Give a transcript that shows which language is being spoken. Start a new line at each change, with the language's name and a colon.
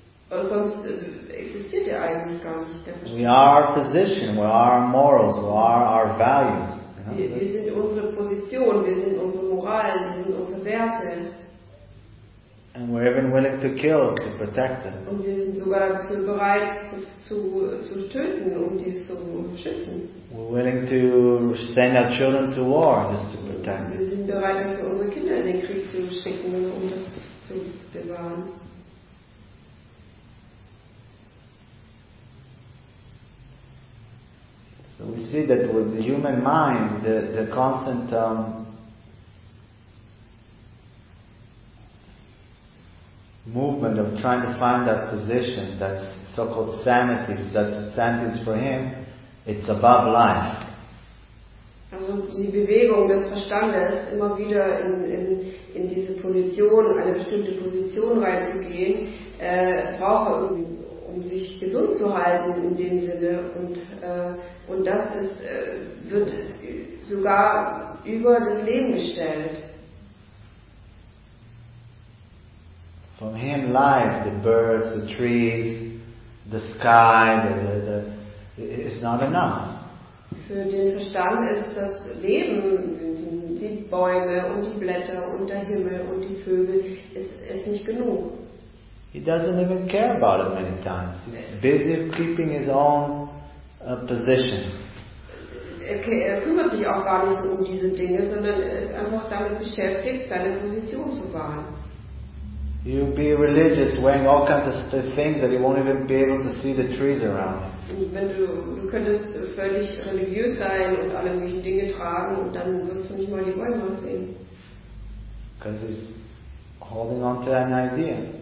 German: Sonst existiert er eigentlich gar nicht.
English: We are our position, we are our morals, we are our values.
German: Wir sind unsere Position, wir sind unsere Moral, wir sind unsere Werte.
English: And we're even willing to kill to protect them.
German: Und wir sind sogar dafür bereit zu töten, um dies zu schützen.
English: We're willing to send our children to war just to protect them.
German: Wir sind bereit, unsere Kinder in den Krieg zu schicken, um das zu bewahren.
English: So we see that with the human mind, the constant movement of trying to find that position, that so-called sanity, that sanity is for him, it's above life.
German: Also die Bewegung des Verstandes, immer wieder in diese Position, eine bestimmte Position reinzugehen, braucht er, um sich gesund zu halten in dem Sinne. Und das ist, wird sogar über das Leben gestellt.
English: From him, life, the birds, the trees, the sky, the is not enough.
German: Für den Verstand ist das Leben, die Bäume und die Blätter und der Himmel und die Vögel, ist nicht genug.
English: He doesn't even care about it many times. He's busy keeping his own position.
German: Er kümmert sich auch gar nicht so um diese Dinge, sondern ist einfach damit beschäftigt, seine Position zu wahren.
English: You'll be religious, wearing all kinds of things that you won't even be able to see the trees around.
German: Wenn du könntest völlig religiös sein und alle möglichen Dinge tragen, und dann wirst du nicht mal die Bäume sehen.
English: Because he's holding on to an idea.